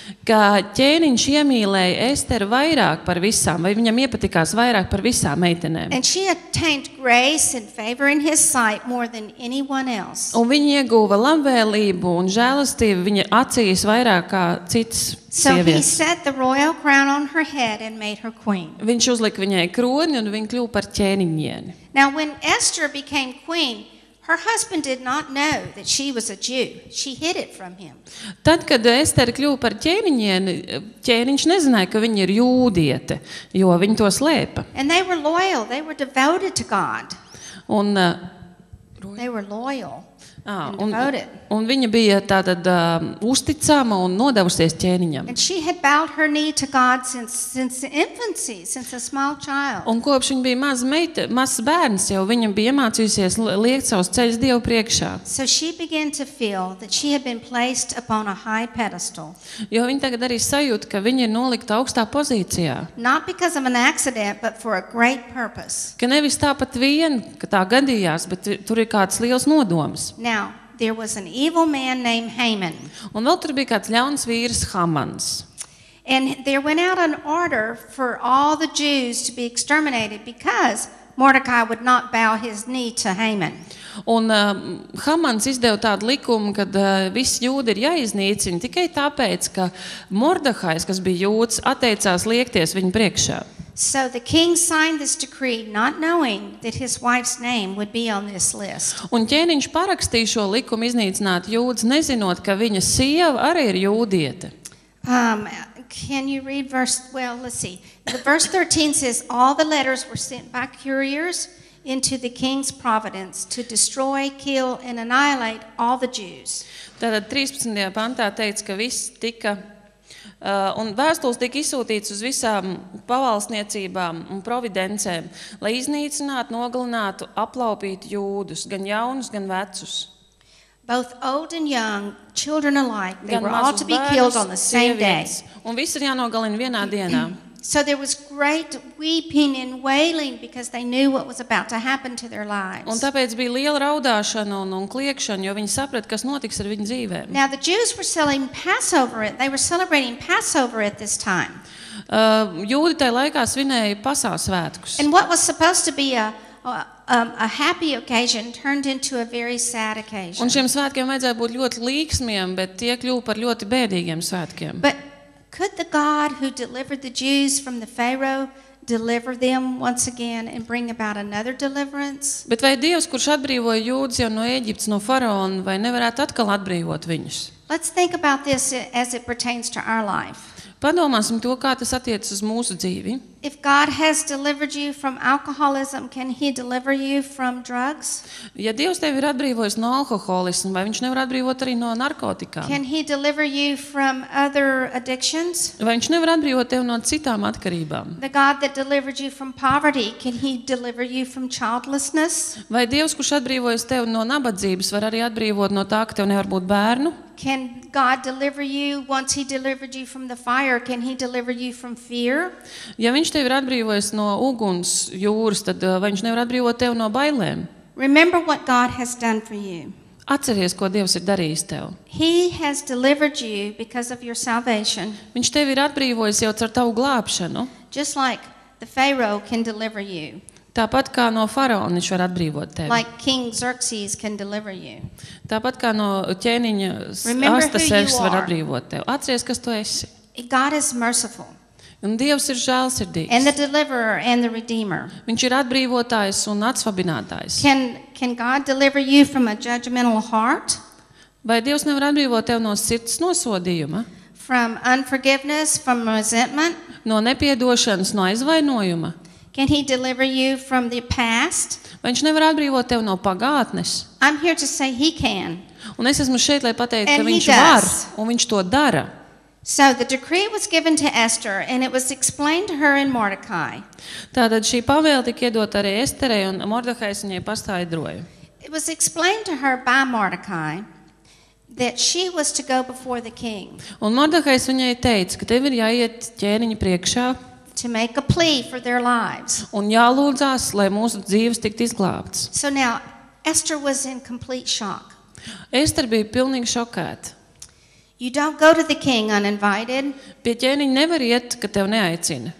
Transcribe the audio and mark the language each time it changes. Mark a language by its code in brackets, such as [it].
[lv] Ka ķēniņš iemīlēja Esteru vairāk par visām, vai viņam iepatikās vairāk par visām meitenēm. [en] And she attained grace and favor in his sight more than anyone else. [lv] Un viņa ieguva labvēlību un žēlastību viņa acīs vairāk kā citas sievietes. [en] So he set the royal crown on her head and made her queen. [lv] Viņš uzlika viņai kroni un viņa kļuva par ķēniņieni. [en] Now when Esther became queen, her husband did not know that she was a Jew. She hid it from him. [lv] Tad, kad Ester kļuva par ķēniņieni, ķēniņš nezināja, ka viņa ir jūdiete, jo viņa to slēpa. [en] And they were loyal. They were devoted to God. [lv] Un [en] they were loyal. [lv] Un viņa bija tātad uzticama un nodevusies ķēniņam. [en] And she had bowed her knee to God since infancy, since a small child. [lv] Un kopš viņa bija maza meita, mazs bērns, jau viņa bija iemācījusies liekt savus ceļus Dievu priekšā. [en] So she began to feel that she had been placed upon a high pedestal. [lv] Jo viņa tagad arī sajūta, ka viņa ir nolikta augstā pozīcijā. [en] Not because of an accident, but for a great purpose. [lv] Ka nevis tāpat vien, ka tā gadījās, bet tur ir kāds liels nodoms. [en] Now, there was an evil man named Haman. [lv] Un vēl tur bija kāds ļauns vīrs Hamans. [en] And there went out an order for all the Jews to be exterminated because Mordecai would not bow his knee to Haman. [lv] Un Hamans izdeva tādu likumu, kad visi jūdi ir jāiznīcina tikai tāpēc, ka Mordehais, kas bija jūds, atteicās liekties viņa priekšā. [en] So the king signed this decree not knowing that his wife's name would be on this list. [lv] Un ķēniņš parakstīja šo likumu iznīcināt jūdzi, nezinot, ka viņa sieva arī ir jūdiete. [en] Can you read verse, well, let's see. The verse 13 says, all the letters were sent by couriers into the king's province to destroy, kill, and annihilate all the Jews. [lv] Tātad 13. Pantā teica, ka viss tika... Un vēstules tika izsūtīts uz visām pavalstniecībām un providencēm, lai iznīcinātu, nogalinātu, aplaupītu jūdus, gan jaunus, gan vecus. [en] Both old and young, children alike, they were all to be killed on the same day. [lv] Un visi ir jānogalina vienā dienā. [en] So there was great weeping and wailing because they knew what was about to happen to their lives. [lv] Un tāpēc bija liela raudāšana un kliekšana, jo viņi saprata, kas notiks ar viņu dzīvēm. [en] Now the Jews were celebrating Passover. They were celebrating Passover at this time. [lv] Jūdi tajā laikā svinēja Pasāles svētkus. [en] And what was supposed to be a happy occasion turned into a very sad occasion. [lv] Un šiem svētkiem vajadzēja būt ļoti līksmiem, bet tie kļuva par ļoti bēdīgiem svētkiem. [en] But could the God who delivered the Jews from the Pharaoh deliver them once again and bring about another deliverance? [lv] Bet vai Dievs, kurš atbrīvoja jūdzi jau no Ēģiptes, no Faraona, vai nevarētu atkal atbrīvot viņus? [en] Let's think about this as it pertains to our life. [lv] Padomāsim to, kā tas attiecas uz mūsu dzīvi. [en] If God has delivered you from alcoholism, can he deliver you from drugs? [lv] Ja Dievs tevi ir atbrīvojis no alkoholisma, vai viņš nevar atbrīvot arī no narkotikām? [en] Can he deliver you from other addictions? [lv] Vai viņš nevar atbrīvot tevi no citām atkarībām? [en] The God that delivered you from poverty, can he deliver you from childlessness? [lv] Vai Dievs, kurš atbrīvojis tevi no nabadzības, var arī atbrīvot no tā, ka tev nevar būt bērnu? [en] Can God deliver you once he delivered you from the fire? Can he deliver you from fear? [lv] Ja viņš tevi ir atbrīvojis no uguns jūras, tad vai viņš nevar atbrīvot tevi no bailēm? [en] Remember what God has done for you. [lv] Atceries, ko Dievs ir darījis tev. [en] He has delivered you because of your salvation. [lv] Viņš tevi ir atbrīvojis jau caur tavu glābšanu. [en] Just like the Pharaoh can deliver you. [lv] Tāpat kā no faraona viņš var atbrīvot tevi. [en] Like King Xerxes can deliver you. [lv] Tāpat kā no ķēniņa Astaseks var atbrīvot tevi. Atceries, kas tu esi. [en] God is merciful. [lv] Un Dievs ir žēlsirdīgs. [en] And the deliverer and the redeemer. [lv] Viņš ir atbrīvotājs un atsvabinātājs. [en] Can God deliver you from a judgmental heart? [lv] Vai Dievs nevar atbrīvot tevi no sirds nosodījuma? [en] From unforgiveness, from resentment? [lv] No nepiedošanas, no aizvainojuma? [en] Can he deliver you from the past? [lv] Viņš nevar atbrīvot tevi no pagātnes. [en] I'm here to say he can. [lv] Un es esmu šeit, lai pateiktu, ka viņš var, un viņš to dara. [en] So the decree was given to Esther and it was explained to her in Mordecai. [lv] Tātad šī pavēle tika iedota arī Esterei un Mordehais viņai paskaidroja. [en] It was explained to her by Mordecai that she was to go before the king. [lv] Un Mordehais viņai teica, ka tev ir jāiet ķēniņa priekšā. [en] To make a plea for their lives. [lv] Un jālūdzās, lai mūsu dzīves tikt izglābts. [en] So now Esther was in complete shock. [lv] Ester bija pilnīgi šokēta. [en] You don't go to the king uninvited. [lv] Pie ķēniņa nevar iet, ka tev neaicina.